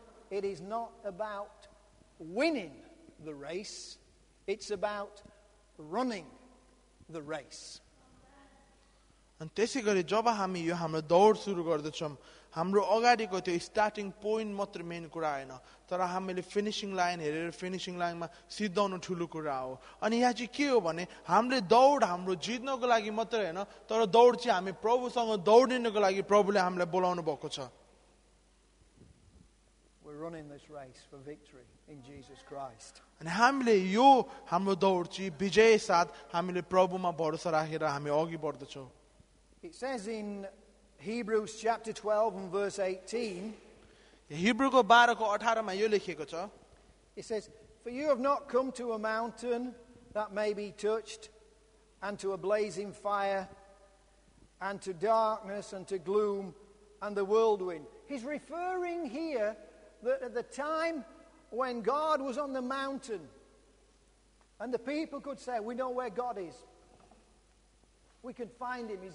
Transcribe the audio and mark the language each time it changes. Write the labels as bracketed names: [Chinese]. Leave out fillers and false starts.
[English] It is not about winning the race, it's about running the race. [Nepali] अनि त्यसै गरी जब हामी यो हाम्रो दौड सुरु गर्दछौँ हाम्रो अगाडिको त्यो स्टार्टिङ पोइन्ट मात्र मेन कुरा होइन तर हामीले फिनिसिङ लाइन हेरेर फिनिसिङ लाइनमा सिद्धाउनु ठुलो कुरा हो अनि यहाँ चाहिँ के हो भने हामीले दौड हाम्रो जित्नको लागि मात्र होइन तर दौड चाहिँ हामी प्रभुसँग दौडिनको लागि प्रभुले हामीलाई बोलाउनु भएको छ [English] running this race for victory in Jesus Christ. [Nepali] अनि हामीले यो हाम्रो दौड चाहिँ विजय साथ हामीले प्रभुमा भरोसा राखेर हामी अघि बढ्दछौं. [English] It says in Hebrews chapter 12 and verse 18. [Nepali] हिब्रूको 12 को 18 मा यो लेखिएको छ. [English] It says, "For you have not come to a mountain that may be touched, and to a blazing fire, and to darkness and to gloom and the whirlwind." He's referring here that at the time when God was on the mountain and the people could say, we know where God is. We can find him.